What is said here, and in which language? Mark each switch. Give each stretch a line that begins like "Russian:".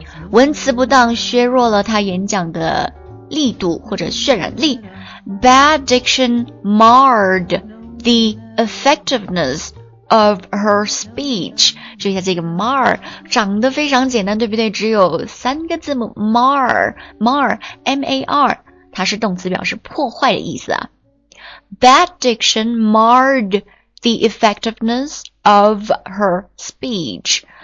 Chinese: 文词不当削弱了他演讲的力度或者渲染力。
English: Bad diction marred the effectiveness of her speech.
Chinese: 注意一下这个 mar， 长得非常简单，对不对？只有三个字母 mar，mar，m-a-r， 它是动词，表示破坏的意思啊。
English: Bad diction marred. The effectiveness of her speech.